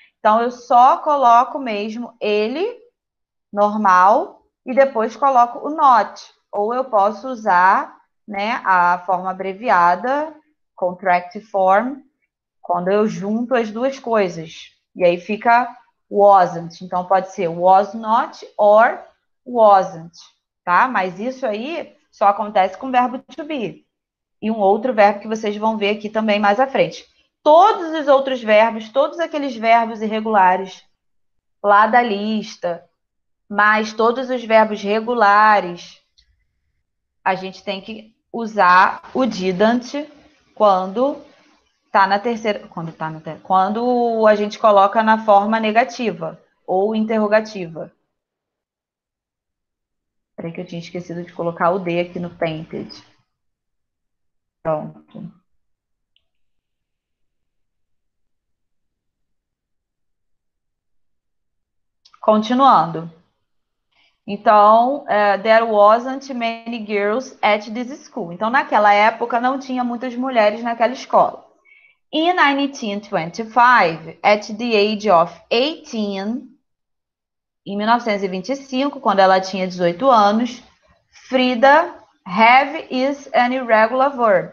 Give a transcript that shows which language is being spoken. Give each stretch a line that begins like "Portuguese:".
Portuguese: Então, eu só coloco mesmo ele, normal, e depois coloco o not. Ou eu posso usar, né, a forma abreviada, contract form, quando eu junto as duas coisas. E aí fica wasn't. Então, pode ser
English: was not or wasn't,
Portuguese: tá? Mas isso aí só acontece com o verbo to be. E um outro verbo que vocês vão ver aqui também mais à frente. Todos os outros verbos, todos aqueles verbos irregulares lá da lista, mas todos os verbos regulares, a gente tem que usar o didn't quando está na terceira... Quando a gente coloca na forma negativa ou interrogativa. Peraí que eu tinha esquecido de colocar o D aqui no painted. Pronto. Continuando. Então,
English: there wasn't many girls at this school.
Portuguese: Então, naquela época, não tinha muitas mulheres naquela escola.
English: In 1925, at the age of 18...
Portuguese: Em 1925, quando ela tinha 18 anos, Frida,
English: have is an irregular verb.